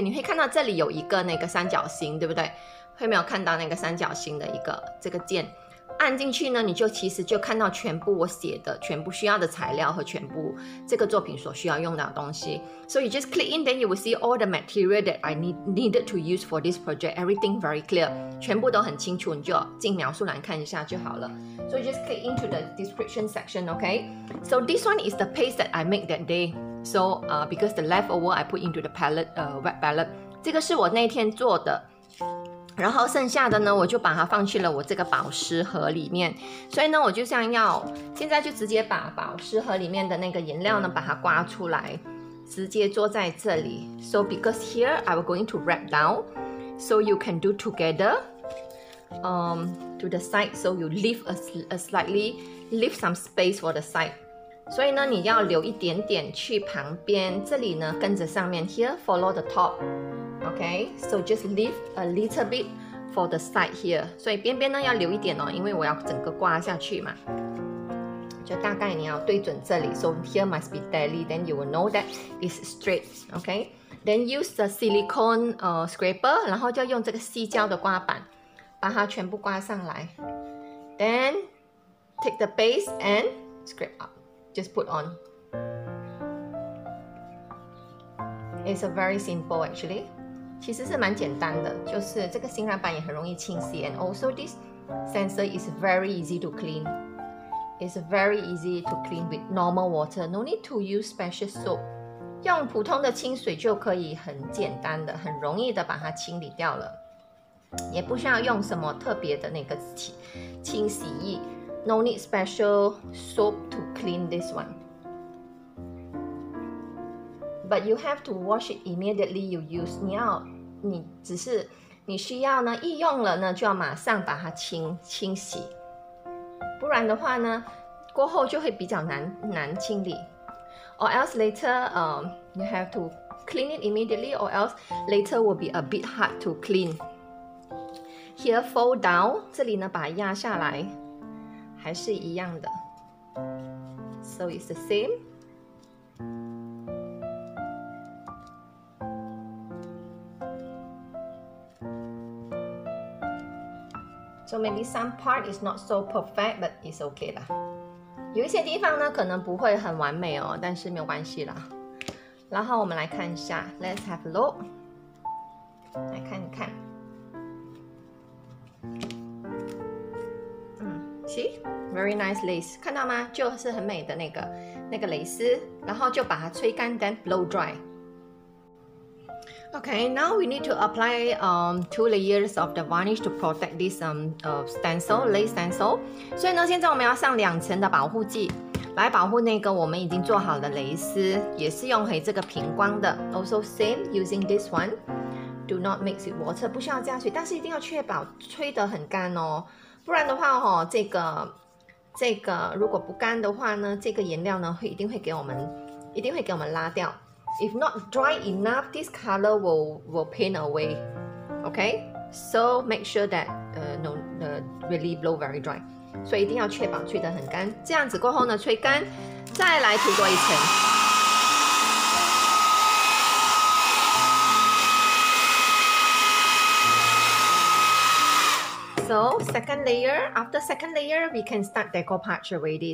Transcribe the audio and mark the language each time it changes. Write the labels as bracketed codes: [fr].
[zh] 你会看到这里有一个那个三角形，对不对？会没有看到那个三角形的一个这个键，按进去呢，你就其实就看到全部我写的全部需要的材料和全部这个作品所需要用到的东西。 [en] So you just click in, then you will see all the material that I needed to use for this project. Everything very clear. [zh] 全部都很清楚，你就进描述栏看一下就好了。 [en] So just click into the description section, okay? So this one is the paste that I make that day. So because the leftover I put into the palette, wet palette. [zh] 这个是我那天做的，然后剩下的呢，我就把它放去了我这个保湿盒里面。所以呢，我就想要现在就直接把保湿盒里面的那个颜料呢，把它刮出来，直接做在这里。 [en] So because here I was going to wrap down. So you can do together, to the side. So you leave leave some space for the side. [zh] 所以呢，你要留一点点去旁边。这里呢，跟着上面 [en] here, follow the top. Okay, so just leave a little bit for the side here. [zh] 所以边边呢要留一点哦，因为我要整个挂下去嘛。就大概你要对准这里。 [en] So here must be daily, then you will know that it's straight. Okay. Then use the silicone scraper, [zh] 然后就用这个细胶的刮板把它全部刮上来。 [en] Then take the base and scrape up, just put on. It's a very simple actually. [zh] 其实是蛮简单的，就是这个新染板也很容易清洗。 [en] And also this sensor is very easy to clean. It's very easy to clean with normal water, no need to use special soap. [zh] 用普通的清水就可以很简单的、很容易的把它清理掉了，也不需要用什么特别的那个清洗液。 [en] No need special soap to clean this one. But you have to wash it immediately you use. [zh] 你需要呢，一用了呢就要马上把它清洗，不然的话呢，过后就会比较难清理。 [en] Or else later, you have to clean it immediately. Or else later will be a bit hard to clean. Here, fold down. [zh] 这里呢，把它压下来，还是一样的。 [en] So it's the same. So maybe some part is not so perfect, but it's okay lah. [zh] 有一些地方呢可能不会很完美哦，但是没有关系啦。然后我们来看一下 ， [en] Let's have a look， [zh] 来看一看。嗯 ， [en] See very nice lace， [zh] 看到吗？就是很美的那个那个蕾丝，然后就把它吹干 ， [en] then blow dry。 Okay, now we need to apply two layers of the varnish to protect this stencil, lace stencil. [zh] 所以呢，现在我们要上两层的保护剂，来保护那个我们已经做好的蕾丝，也是用回这个平光的。 [en] Also same using this one. Do not mix with water. [zh] 不需要加水，但是一定要确保吹得很干哦，不然的话哦，这个如果不干的话呢，这个颜料呢会一定会给我们拉掉。 [en] If not dry enough, this color will paint away. Okay, so make sure that really blow very dry. [zh] 所以一定要确保吹得很干。这样子过后呢，吹干，再来涂多一层。 [en] So second layer, after second layer, we can start decoupage already.